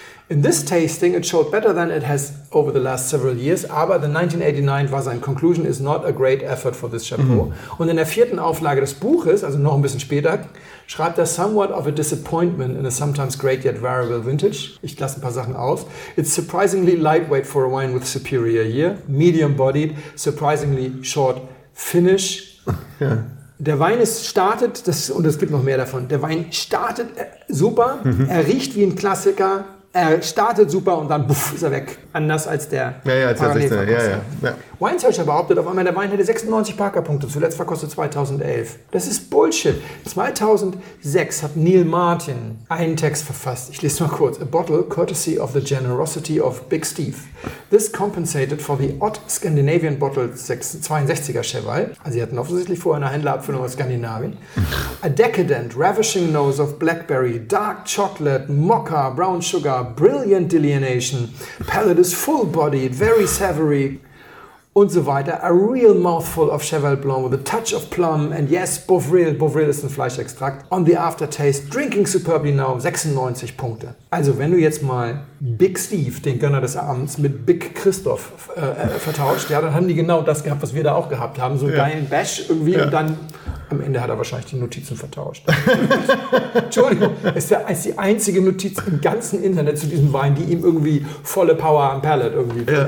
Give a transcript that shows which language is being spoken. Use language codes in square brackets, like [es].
[en] In this tasting, it showed better than it has over the last several years, [de] aber [en] the 1989 [de] war sein [en] Conclusion, is not a great effort for this Chateau. Mhm. [de] Und in der vierten Auflage des Buches, also noch ein bisschen später, schreibt er, [en] somewhat of a disappointment in a sometimes great yet variable vintage. [de] Ich lasse ein paar Sachen aus. [en] It's surprisingly lightweight for a wine with superior year. Medium bodied, surprisingly short finish. [de] Ja. Der Wein startet, und es gibt noch mehr davon. Der Wein startet super, er riecht wie ein Klassiker. Er startet super und dann puff, ist er weg. Anders als der Wine Searcher behauptet auf einmal, der Wein hätte 96 Parker-Punkte. Zuletzt verkostet 2011. Das ist Bullshit. 2006 hat Neil Martin einen Text verfasst. Ich lese mal kurz. [en] A bottle courtesy of the generosity of Big Steve. This compensated for the odd Scandinavian bottle 62er Cheval. [de] Also sie hatten offensichtlich vorher eine Händlerabfüllung aus Skandinavien. [en] A decadent, ravishing nose of blackberry, dark chocolate, mocha, brown sugar, brilliant delineation, palate is full-bodied, very savory. [de] und so weiter. [en] A real mouthful of Cheval Blanc with a touch of plum. And yes, Bovril. [de] Bovril ist ein Fleischextrakt. [en] On the aftertaste, drinking superbly now. [de] 96 Punkte. Also wenn du jetzt mal Big Steve, den Gönner des Abends, mit Big Christoph vertauscht, ja, dann haben die genau das gehabt, was wir da auch gehabt haben. So einen geilen Bash irgendwie. Ja. Und dann am Ende hat er wahrscheinlich die Notizen vertauscht. Entschuldigung, ist die einzige Notiz im ganzen Internet zu diesem Wein, die ihm irgendwie volle Power am Palate irgendwie bringt. Ja.